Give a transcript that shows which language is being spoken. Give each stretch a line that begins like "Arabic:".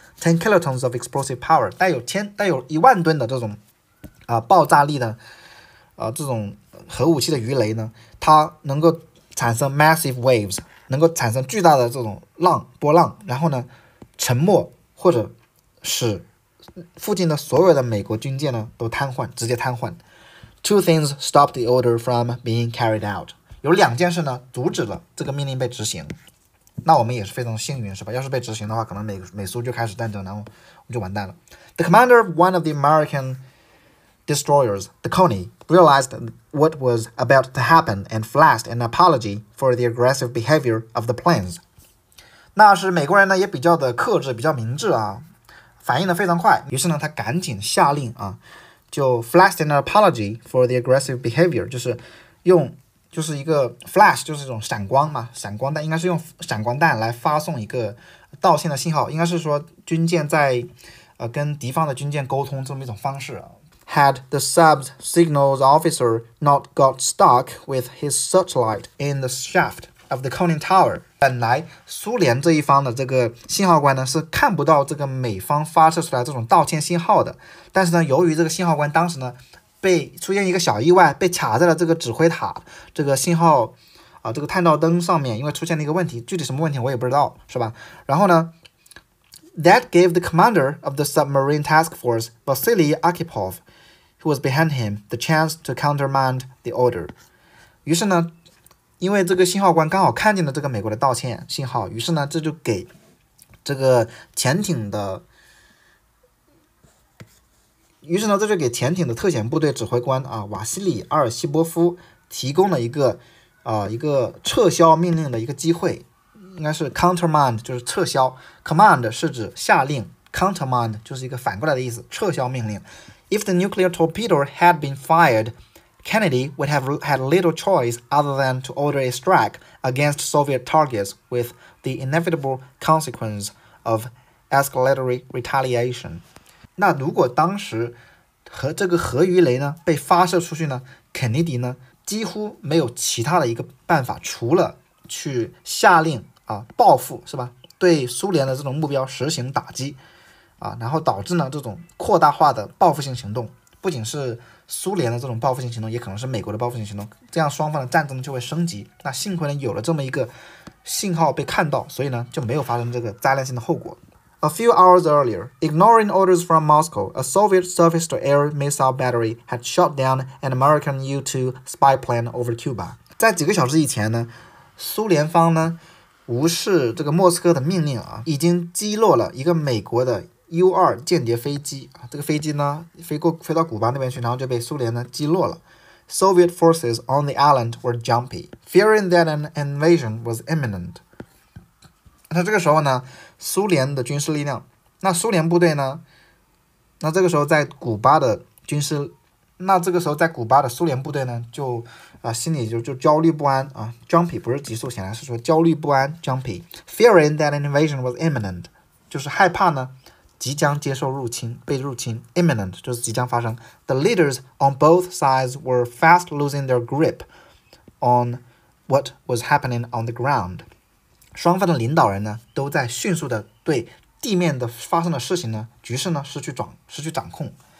English: Ten kilotons of explosive power
Chinese: 带有一万吨的这种爆炸力的这种核武器的鱼雷呢，它能够产生
English: massive waves。
Chinese: 能够产生巨大的这种浪波浪，然后呢沉没或者使附近的所有的美国军舰呢都瘫痪，直接瘫痪。
English: Two things stopped the order from being carried out.
Chinese: 有两件事呢阻止了这个命令被执行。那我们也是非常幸运是吧，要是被执行的话可能 美苏就开始战争，然后我们就完蛋了。
English: The commander of one of the American destroyers, the Coney, realized what was about to happen and flashed an apology for the aggressive behavior of the planes.
Chinese: 那是美国人呢也比较的克制比较明智啊，反应的非常快，于是呢他赶紧下令啊，就
English: flashed an apology for the aggressive behavior,
Chinese: 就是用就是一个 flash 就是一种闪光嘛，闪光弹应该是用闪光弹来发送一个道歉的信号，应该是说军舰在跟敌方的军舰沟通这么一种方式啊。
English: Had the sub's signals officer not got stuck with his searchlight in the shaft of the conning tower,
Chinese: 本来苏联这一方的这个信号官呢是看不到这个美方发射出来这种道歉信号的，但是呢由于这个信号官当时呢被出现一个小意外被卡在了这个指挥塔这个信号这个探照灯上面，因为出现了一个问题，具体什么问题我也不知道是吧，然后呢
English: That gave the commander of the submarine task force, Vasily Akipov, who was behind him, the chance to countermand the order.
Chinese: 于是呢，因为这个信号官刚好看见了这个美国的道歉信号，于是呢，这就给这个潜艇的，潜艇的特遣部队指挥官啊，瓦西里·阿尔西波夫提供了一个一个撤销命令的一个机会。应该是 countermand 就是撤销， command 是指下令， countermand 就是一个反过来的意思，撤销命令。
English: If the nuclear torpedo had been fired, Kennedy would have had little choice other than to order a strike against Soviet targets with the inevitable consequence of escalatory retaliation.
Chinese: 那如果当时和这个核鱼雷呢被发射出去呢，肯尼迪呢几乎没有其他的一个办法除了去下令报复是吧，对苏联的这种目标实行打击然后导致呢这种扩大化的报复性行动，不仅是苏联的这种报复性行动，也可能是美国的报复性行动，这样双方的战争就会升级。那幸亏呢有了这么一个信号被看到，所以呢就没有发生这个灾难性的后果。
English: A few hours earlier, ignoring orders from Moscow, a Soviet surface-to-air missile battery had shot down an American U-2 spy plane over Cuba.
Chinese: 在几个小时以前呢，苏联方呢无视这个莫斯科的命令已经击落了一个美国的 U-2 间谍飞机这个飞机呢飞到古巴那边去，然后就被苏联呢击落了。
English: Soviet forces on the island were jumpy, fearing that an invasion was imminent.
Chinese: 那这个时候呢苏联的军事力量，那苏联部队呢，那这个时候在古巴的军事，那这个时候在古巴的苏联部队呢就心里就焦虑不安jumpy 不是急速，显然是说焦虑不安 jumpy,
English: fearing that an invasion was imminent,
Chinese: 就是害怕呢即将接受入侵，被入侵 imminent 就是即将发生。
English: The leaders on both sides were fast losing their grip on what was happening on the ground,
Chinese: 双方的领导人呢都在迅速的对地面的发生的事情呢局势呢失去掌控。